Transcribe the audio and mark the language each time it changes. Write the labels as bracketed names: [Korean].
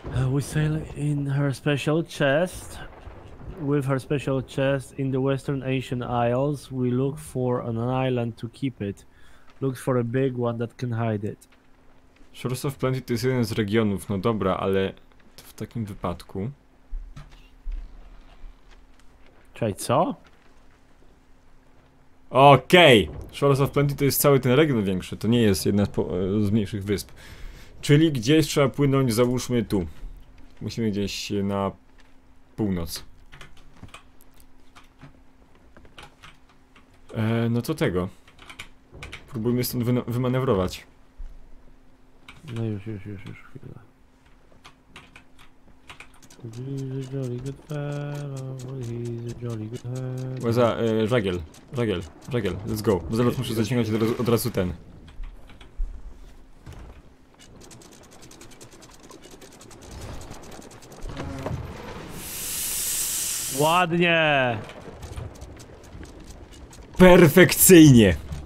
[English] We sail in her special chest. With her special chest in the Western Asian Isles, we look for an island to keep it. Look for a big one that can hide it. [Polish] Shores of Plenty to jest jeden z regionów, no dobra, ale w takim wypadku... Czekaj, co? Okej! Okay. Shores of Plenty to jest cały ten region większy, to nie jest jedna z mniejszych wysp. Czyli gdzieś trzeba płynąć, załóżmy tu. Musimy gdzieś na północ. No to tego. Próbujmy stąd wymanewrować. No już, chwila. [English] He's a jolly good fellow, he's a jolly good fellow. [Polish] Łeza, żagiel, [English] let's go. [Polish] Bo zaraz muszę zaciągać od razu ten. Ładnie! Perfekcyjnie!